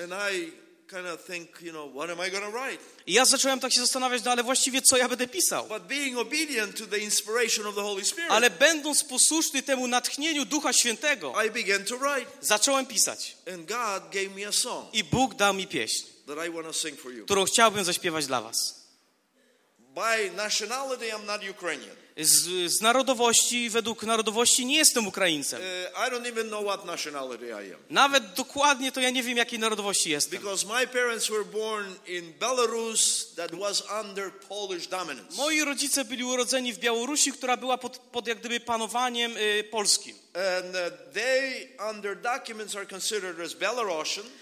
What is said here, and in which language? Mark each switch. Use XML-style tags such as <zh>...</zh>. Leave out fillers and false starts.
<en>And I kind of think, you know, what am I going to write?</en> <pl>I ja zacząłem tak się zastanawiać, no ale właściwie co ja będę pisał?</pl> <en>But being obedient to the inspiration of the Holy Spirit.</en> <pl>Ale będąc posłuszny temu natchnieniu Ducha Świętego.</pl> <en>I began to write.</en> <pl>Zacząłem pisać.</pl> <en>And God gave me a song.</en> <pl>I Bóg dał mi pieśń.</pl> <en>That I want to sing for you.</en> <pl>Którą chciałbym zaśpiewać dla was.</pl> <en>By nationality I'm not Ukrainian.</en> <pl>Z narodowości, według narodowości nie jestem Ukraińcem.</pl> <en>I don't even know what nationality I am.</en> <pl>Nawet dokładnie to ja nie wiem, jakiej narodowości jestem.</pl> <en>Because my parents were born in Belarus that was under Polish dominance.</en> <pl>Moi rodzice byli urodzeni w Białorusi, która była pod jak gdyby panowaniem polskim.</pl> <en>And they under documents are considered as Belarusian.</en>